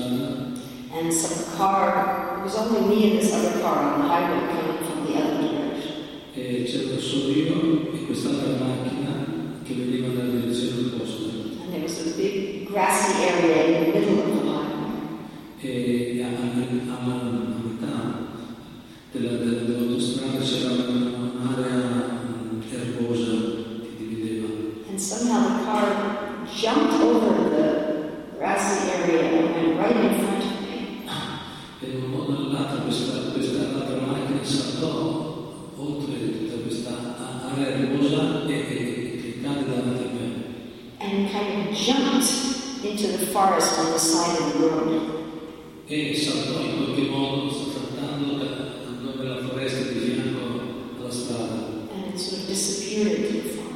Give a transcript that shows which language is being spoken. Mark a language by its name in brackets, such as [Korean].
[English] highway and some car, it was only me and this other car on the highway coming from the other direction. [Italian] E c'ero solo io e quest'altra macchina che veniva dalla direzione opposta. [English] And there was a big grassy area in the middle of the highway. [Italian] E a metà dell'autostrada c'era un'area erbosa. [English] Somehow the car jumped over the grassy area and went right in front of me. [Italian] In un modo o nell'altro questa altra macchina saltò oltre tutta questa area erbosa e cadde davanti a me. [English] And kind of jumped into the forest on the side of the road. [Italian] E saltò in qualche modo saltando andò nella foresta di fianco alla strada. [English] And it sort of disappeared.